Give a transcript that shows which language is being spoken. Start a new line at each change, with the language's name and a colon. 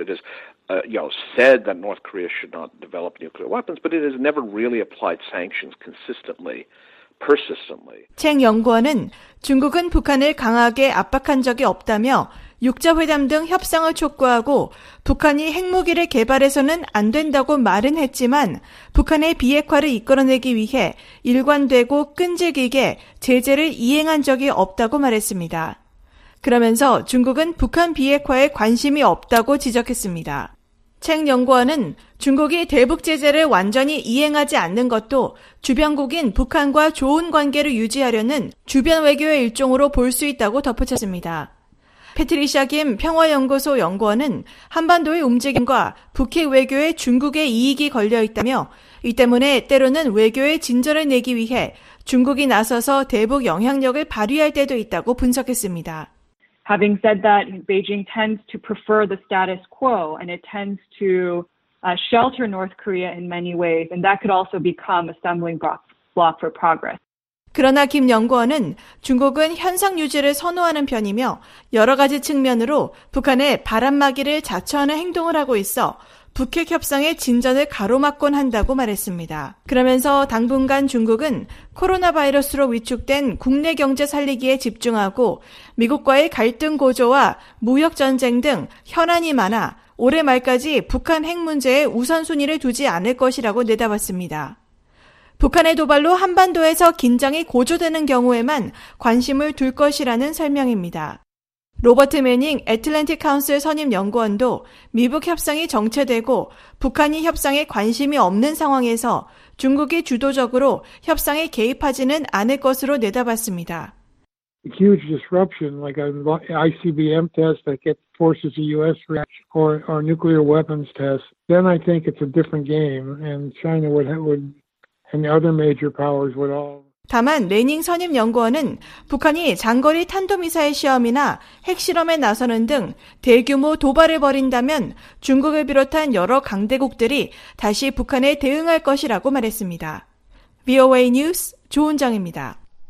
English: It has, said that North Korea should not develop nuclear weapons, but it has never really applied sanctions consistently, persistently.
Korean: 챙 연구원은 중국은 북한을 강하게 압박한 적이 없다며 6자회담 등 협상을 촉구하고 북한이 핵무기를 개발해서는 안 된다고 말은 했지만 북한의 비핵화를 이끌어내기 위해 일관되고 끈질기게 제재를 이행한 적이 없다고 말했습니다. 그러면서 중국은 북한 비핵화에 관심이 없다고 지적했습니다. 챙 연구원은 중국이 대북 제재를 완전히 이행하지 않는 것도 주변국인 북한과 좋은 관계를 유지하려는 주변 외교의 일종으로 볼 수 있다고 덧붙였습니다. 패트리샤 김 평화연구소 연구원은 한반도의 움직임과 북핵 외교에 중국의 이익이 걸려 있다며 이 때문에 때로는 외교에 진전을 내기 위해 중국이 나서서 대북 영향력을 발휘할 때도 있다고 분석했습니다.
English: Having said that, Beijing tends to prefer the status quo and it tends to shelter North Korea in many ways and that could also become a stumbling block for progress.
Korean: 그러나 김 연구원은 중국은 현상 유지를 선호하는 편이며 여러 가지 측면으로 북한의 바람막이를 자처하는 행동을 하고 있어 북핵 협상의 진전을 가로막곤 한다고 말했습니다. 그러면서 당분간 중국은 코로나 바이러스로 위축된 국내 경제 살리기에 집중하고 미국과의 갈등 고조와 무역 전쟁 등 현안이 많아 올해 말까지 북한 핵 문제에 우선순위를 두지 않을 것이라고 내다봤습니다. 북한의 도발로 한반도에서 긴장이 고조되는 경우에만 관심을 둘 것이라는 설명입니다. 로버트 매닝 애틀랜틱 카운슬 선임 연구원도 미북 협상이 정체되고 북한이 협상에 관심이 없는 상황에서 중국이 주도적으로 협상에 개입하지는 않을 것으로 내다봤습니다.
English: Huge disruption like an ICBM test that forces a US reaction or nuclear weapons test. Then I think it's a different game and China would and other major powers would all
Korean: 다만 레닝 선임 연구원은 북한이 장거리 탄도미사일 시험이나 핵실험에 나서는 등 대규모 도발을 벌인다면 중국을 비롯한 여러 강대국들이 다시 북한에 대응할 것이라고 말했습니다. VOA 뉴스 조은정입니다.